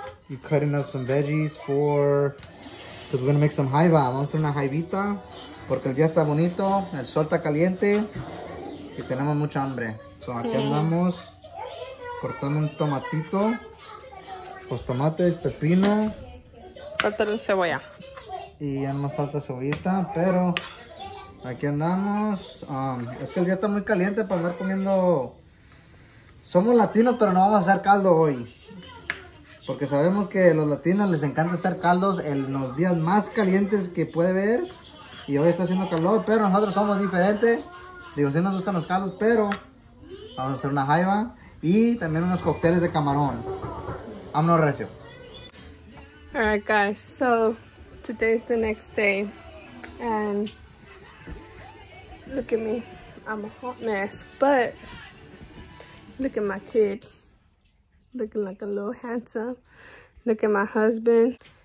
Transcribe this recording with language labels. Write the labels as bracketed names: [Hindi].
[English] You're cutting up some veggies because we're gonna make some jaiba. [Spanish] Vamos a hacer una jaibita porque el día está bonito, el sol está caliente y tenemos mucha hambre. So aquí andamos cortando un tomatito, los tomates, pepino, cortando cebolla. Y ya no nos falta cebollita, pero aquí andamos. Es que el día está muy caliente para andar comiendo. Somos latinos, pero no vamos a hacer caldo hoy. Porque sabemos que a los latinos les encanta hacer caldos en los días más calientes que puede ver. Y hoy está haciendo calor, pero nosotros somos diferentes. Digo, sí nos gustan los caldos, pero vamos a hacer una jaiba y también unos cócteles de camarón. Vámonos recio. [English] All right, guys, so today's the next day, and look at me, I'm a hot mess, but look at my kid, looking like a little handsome, look at my husband,